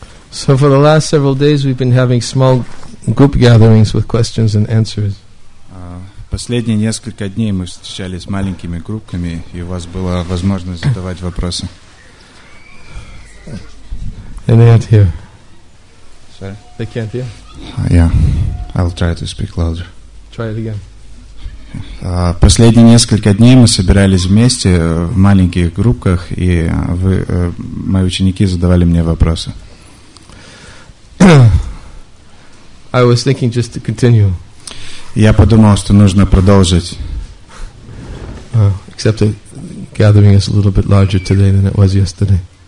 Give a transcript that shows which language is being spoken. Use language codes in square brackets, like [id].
[en] So for the last several days, we've been having small group gatherings with questions and answers. [ru] Последние несколько дней мы встречались маленькими группками, и у вас была возможность задавать вопросы. [en] And they can't hear. Sorry? They can't hear? Yeah. I'll try to speak louder. Try it again. [ru] Последние несколько дней мы собирались вместе в маленьких группках, и вы, мои ученики задавали мне вопросы. [en] I was thinking just to continue. [ru] Я подумал, что нужно продолжить. [en] Except the gathering is a little bit larger today than it was yesterday.